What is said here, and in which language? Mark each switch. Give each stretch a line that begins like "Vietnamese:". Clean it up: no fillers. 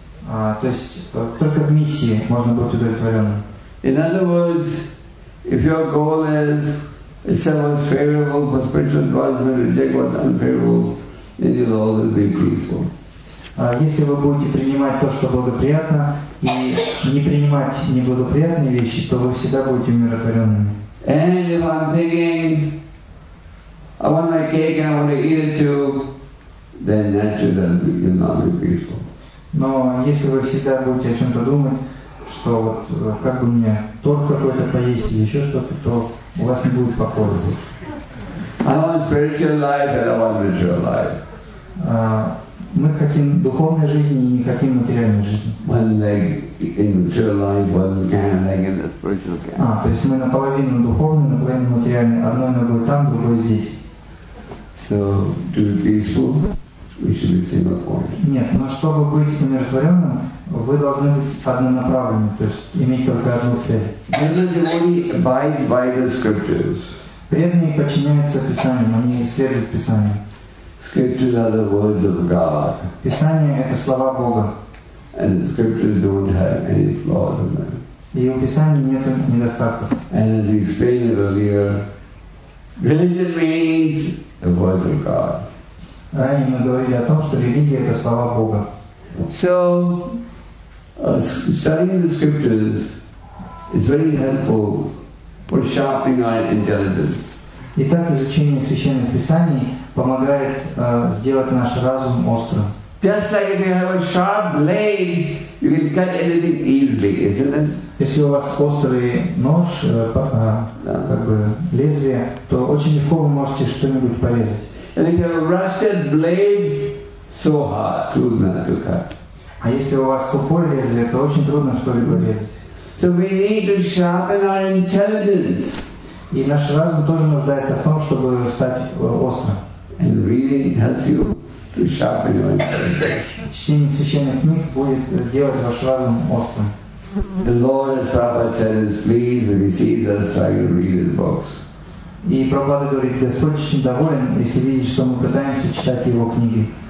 Russian: То есть только в миссии можно быть удовлетворенным.
English: In other words, if your goal is to sell what's favorable for spiritual advancement and reject what's unfavorable, then you'll always be peaceful.
Russian: Если вы будете принимать то, что благоприятно, и не принимать неблагоприятные вещи, то вы всегда будете умиротворенными.
English: And if I'm thinking, I want my cake and I want to eat it too, then naturally you're not very peaceful.
Russian: Но если вы всегда будете о чем-то думать, что вот как бы мне торт какой-то поесть или еще что-то, то у вас не будет покоя.
English: I want spiritual life, I don't want material life.
Russian: Мы хотим духовной жизни, не хотим материальной жизни.
English: One leg in material life, one leg in the spiritual camp.
Russian: А, то есть мы наполовину духовной, наполовину материальной, одной ногой там, другой здесь.
English: So, to be peaceful, we should be single form.
Russian: Нет, но чтобы быть умиротворенным, вы должны быть однонаправленны, то есть иметь только одну цель.
English: Because we abide by the scriptures.
Russian: Преданные подчиняются Писаниям, они следуют Писаниям.
English: Scriptures are the words of God.
Russian: Писания — это слова Бога.
English: And scriptures don't have any flaws in them.
Russian: И у Писаний нет недостатков.
English: And as we explained earlier, religion means the words of God.
Russian: Ранее мы говорили о том, что религия — это слова Бога.
English: So, studying the scriptures is very helpful for sharpening our intelligence.
Russian: Итак, изучение Священных Писаний помогает сделать наш разум острым.
English: Just like if you have a sharp blade, you can cut anything easily, isn't it?
Russian: Если у вас острый нож, как бы лезвие, то очень легко вы можете что-нибудь порезать.
English: And if you have a rusted blade, so hard,
Russian: trudno
English: to cut.
Russian: А если у вас тупое лезвие, то очень трудно что-либо резать.
English: So we need to sharpen our intelligence.
Russian: И наш разум тоже нуждается в том, чтобы стать острым.
English: And reading helps you to sharpen your intelligence.
Russian: Чтение священных книг будет делать ваш разум острым.
English: The Lord, as Prabhupada said, is pleased when he sees us trying to read his books.
Russian: И Прабхупада говорит, Господь очень доволен, если видит, что мы пытаемся читать его книги.